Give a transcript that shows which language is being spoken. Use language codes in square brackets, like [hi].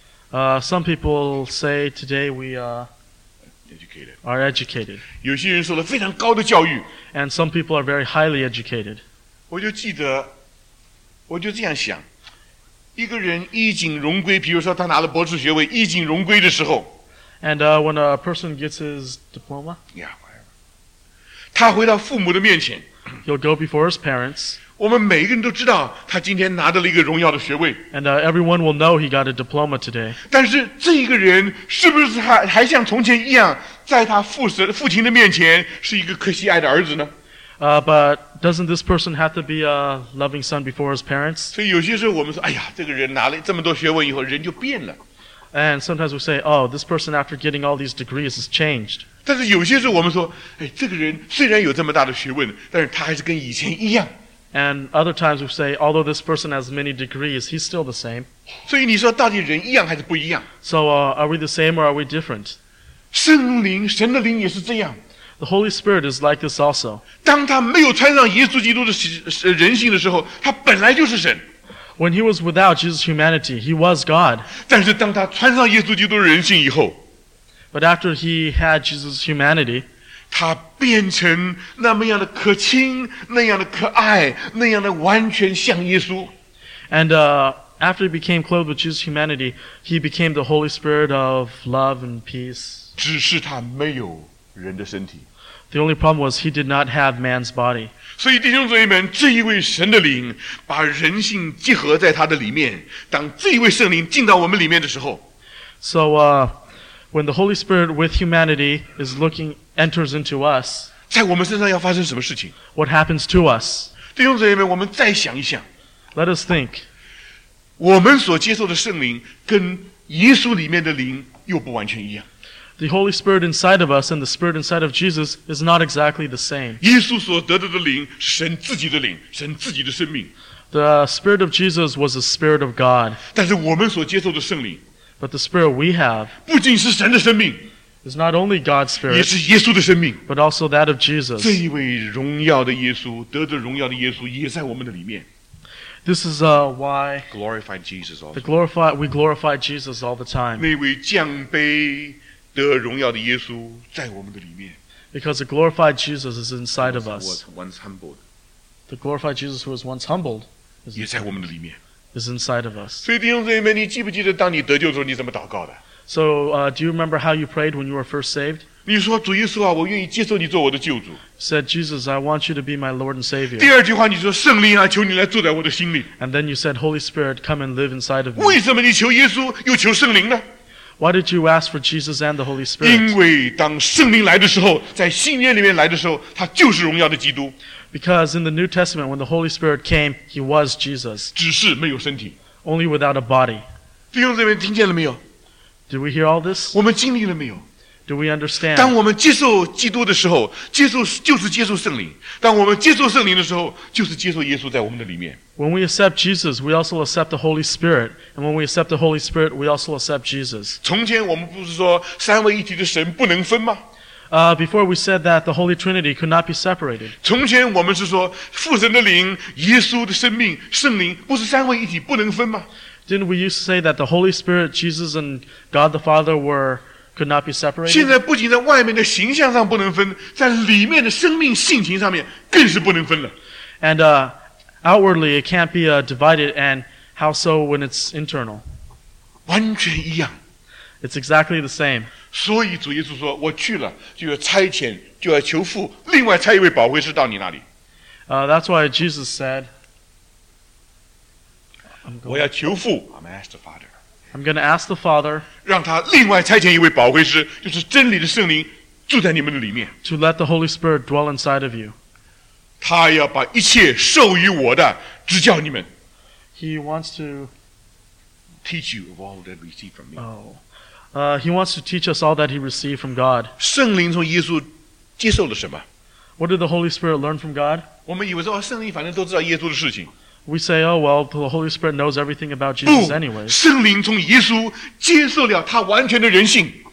[en] Some people say today we educated. Are educated. [zh] 有些人受了非常高的教育。 [en] And some people are very highly educated. [zh] 我就记得，我就这样想，一个人衣锦荣归，比如说他拿了博士学位，衣锦荣归的时候。 [en] And when a person gets his diploma? Yeah, whatever. [zh] 他回到父母的面前。 [en] He'll go before his parents. [zh] 我们每个人都知道他今天拿到了一个荣耀的学位。 [en] And everyone will know he got a diploma today. [zh] 但是这一个人是不是 还像从前一样在他父亲的面前是一个可惜爱的儿子呢？ [en] But doesn't this person have to be a loving son before his parents? [zh] 所以有些时候我们说哎呀这个人拿了这么多学位以后人就变了。 [en] And sometimes we say, oh, this person after getting all these degrees has changed. [zh] 但是有些时候我们说，哎，这个人虽然有这么大的学问，但是他还是跟以前一样。 [en] And other times we say, although this person has many degrees, he's still the same. [zh] 所以你说到底人一样还是不一样 [en] ？So are we the same or are we different? [zh] 圣灵，神的灵也是这样。 [en] The Holy Spirit is like this also. [zh] 当他没有穿上耶稣基督的人性的时候，他本来就是神。 [en] When he was without Jesus' humanity, he was God. [zh] 但是当他穿上耶稣基督的人性以后， [en] But after he had Jesus' humanity, [zh] 他变成那么样的可亲，那样的可爱，那样的完全像耶稣。 [en] And after he became clothed with Jesus' humanity, he became the Holy Spirit of love and peace. [zh] 只是他没有人的身体。 [en] The only problem was he did not have man's body. [zh] 所以弟兄姊妹们，这一位神的灵把人性结合在他的里面，当这一位圣灵进到我们里面的时候， [en] So when the Holy Spirit with humanity is looking, enters into us, [zh] 在我们身上要发生什么事情？ [en] What happens to us? [zh] 弟兄姊妹们，我们再想一想。 [en] Let us think. [zh] 我们所接受的圣灵跟耶稣里面的灵又不完全一样。 [en] The Holy Spirit inside of us and the Spirit inside of Jesus is not exactly the same. [zh] 耶稣所得到的灵是神自己的灵，神自己的生命。 [en] The Spirit of Jesus was the Spirit of God. [zh] 但是我们所接受的圣灵， [en] But the Spirit we have [zh] 不仅是神的生命， [en] is not only God's Spirit, [zh] 也是耶稣的生命， [en] but also that of Jesus. [zh] 这一位荣耀的耶稣，得着荣耀的耶稣也在我们的里面。 [en] This is why glorified Jesus also. We glorify Jesus all the time. [zh] 那位降卑得荣耀的耶稣在我们的里面。 [en] Because the glorified Jesus is inside of us. Once humbled. The glorified Jesus who was once humbled is, [zh] 也在我们的里面。 [en] Is inside of us. [zh] 所以弟兄姊妹们，你记不记得当你得救的时候你怎么祷告的？ [en] So do you remember how you prayed when you were first saved? [zh] 你说主耶稣啊，我愿意接受你做我的救主。 [en] Said Jesus, I want you to be my Lord and Savior. [zh] 第二句话你说圣灵啊，求你来住在我的心里。 [en] And then you said, Holy Spirit, come and live inside of me. [zh] 为什么你求耶稣又求圣灵呢？ [en] Why did you ask for Jesus and the Holy Spirit? [zh] 因为当圣灵来的时候，在新约里面来的时候，他就是荣耀的基督。 [en] Because in the New Testament, when the Holy Spirit came, he was Jesus. [zh] 只是没有身体。 [en] Only without a body. [zh] 弟兄姊妹，听见了没有？ [en] Did we hear all this? [zh] 我们经历了没有？ [en] Do we understand? [zh] 当我们接受基督的时候，接受就是接受圣灵。当我们接受圣灵的时候，就是接受耶稣在我们的里面。 [en] When we accept Jesus, we also accept the Holy Spirit. And when we accept the Holy Spirit, we also accept Jesus. [zh] 从前我们不是说三位一体的神不能分吗？ [en] Before we said that the Holy Trinity could not be separated. [zh] 从前我们是说父神的灵、耶稣的生命、圣灵不是三位一体不能分吗？ [en] Didn't we used to say that the Holy Spirit, Jesus, and God the Father were could not be separated? [zh] 现在不仅在外面的形象上不能分，在里面的生命性情上面更是不能分了。 [en] And outwardly, it can't be divided, and how so when it's internal? [zh] 完全一样。 [en] It's exactly the same. [zh] 所以主耶稣说，我去了，就要差遣，就要求父，另外差一位保惠师到你那里。 [en] That's why Jesus said, [zh] 我要求父。 [en] I'm going to ask the Father. I'm going to ask the Father [zh] 让他另外差遣一位保惠师，就是真理的圣灵住在你们的里面。 [en] To let the Holy Spirit dwell inside of you. [zh] 他要把一切授予我的指教你们。 [en] He wants to teach you of all that we receive from me. He wants to teach us all that he received from God. [zh] 圣灵从耶稣接受了什么？ [en] What did the Holy Spirit learn from God? [zh] 我们以为说，圣灵反正都知道耶稣的事情。 [en] We say, oh well, the Holy Spirit knows everything about Jesus anyway. [zh] 圣灵从耶稣接受了他完全的人性。